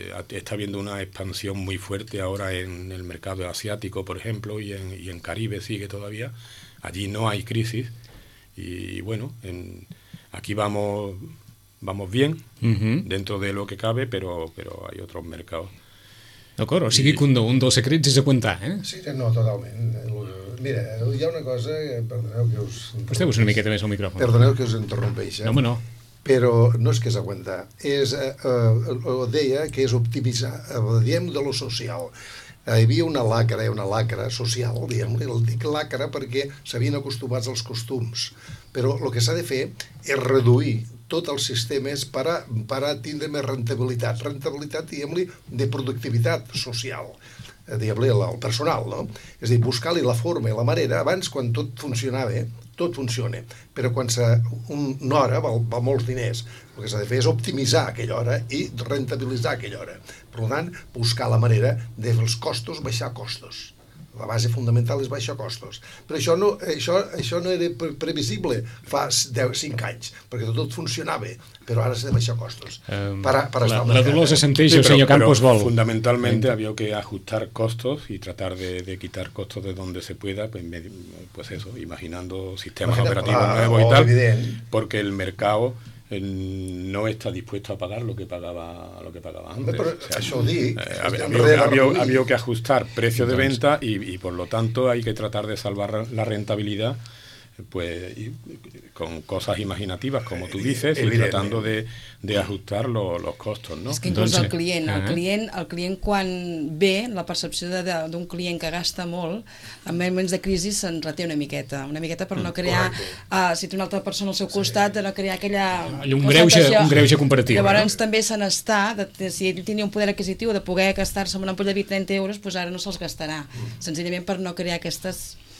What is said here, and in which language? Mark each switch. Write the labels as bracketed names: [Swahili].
[Spanish] Está habiendo una expansión muy fuerte ahora en el mercado asiático, por ejemplo, y en Caribe sigue todavía. Allí no hay crisis y bueno, aquí vamos bien, dentro de lo que cabe, pero hay otros mercados. [Catalan] D'acord, o sigui que un dels secrets és aguantar, Sí, no, totalment. Mira, hi ha una cosa, perdoneu que us... Posteu-vos una miqueta més al micròfon. Perdoneu que us interrompeixi. No, home, no. Però no és que és aguantar, és, deia que és optimitzar, diem de lo social. Hi havia una lacra social, diguem-li, el dic lacra perquè s'havien acostumats als costums, però el que s'ha de fer és reduir tot el sistema és per a tindre més rentabilitat. Rentabilitat, diguem-li, de productivitat social, diguem-li, el personal, no? És a dir, buscar-li la forma i la manera. Abans, quan tot funcionava, tot funciona, però quan una hora val molts diners, el que s'ha de fer és optimitzar aquella hora i rentabilitzar aquella hora. Per tant, buscar la manera de fer els costos, baixar costos. La base fonamental és baixar costos. Però això no era previsible fa 5 anys, perquè tot funcionava, però ara s'ha de baixar costos. La Dolors assenteix, el senyor Campos vol. [Spanish] Fundamentalment, havia que ajustar costos i tratar de quitar costos de donde se pueda, pues eso, imaginando sistemas operativos nuevos y tal, porque el mercado no està dispost a pagar lo que pagava antes. Pero, o sea, [Catalan] això ho dic. [Spanish] Havia que ajustar precio de venta y por lo tanto hay que tratar de salvar la rentabilidad, pues con cosas imaginativas, como tú dices, y tratando de ajustar los costos, ¿no? Es que incluso [Catalan] el client quan ve la percepció d'un client que gasta molt, en moments de crisi se'n reté una miqueta per no crear, si té una altra persona al seu costat, de no crear aquella... Un greuge comparatiu. Llavors també se n'està, si ell tenia un poder adquisitiu de poder gastar-se amb una ampolla de 30 euros, doncs ara no se'ls gastarà, senzillament per no crear aquestes...